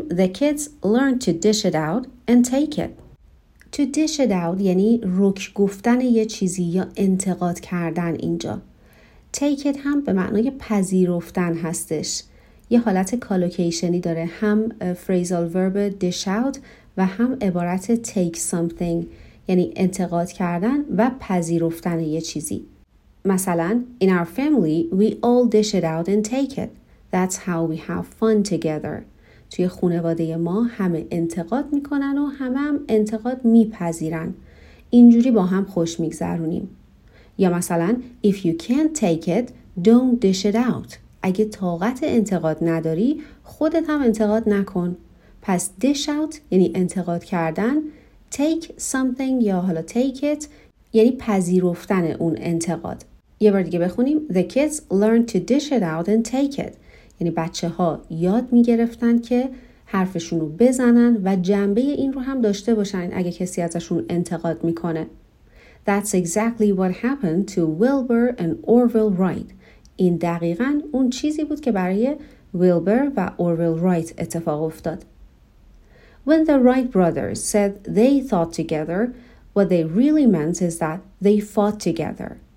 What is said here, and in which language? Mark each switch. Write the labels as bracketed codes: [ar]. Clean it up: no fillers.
[en] The kids learn to dish it out and take it. To dish it out [fa] یعنی رک گفتن یه چیزی یا انتقاد کردن اینجا. [en] Take it [fa] هم به معنای پذیرفتن هستش. یه حالت کالوکیشنی داره، هم phrasal verb dish out و هم عبارت take something، یعنی انتقاد کردن و پذیرفتن یه چیزی. [en] مثلا In our family we all dish it out and take it. That's how we have fun together. [fa] توی خانواده ما همه انتقاد میکنن و همه هم انتقاد میپذیرن. اینجوری با هم خوش میگذرونیم. یا مثلا [en] If you can't take it, don't dish it out. [fa] اگه طاقت انتقاد نداری، خودت هم انتقاد نکن. پس dish out یعنی انتقاد کردن، take something یا حالا take it یعنی پذیرفتن اون انتقاد. یه بار دیگه بخونیم. [en] The kids learn to dish it out and take it. [fa] یعنی بچه ها یاد میگرفتن که حرفشون رو بزنن و جنبه این رو هم داشته باشن اگه کسی ازشون انتقاد میکنه. [en] That's exactly what happened to Wilbur and Orville Wright. [fa] این دقیقاً اون چیزی بود که برای Wilbur و Orville Wright اتفاق افتاد. [en] When the Wright brothers said they thought together, what they really meant is that they fought together.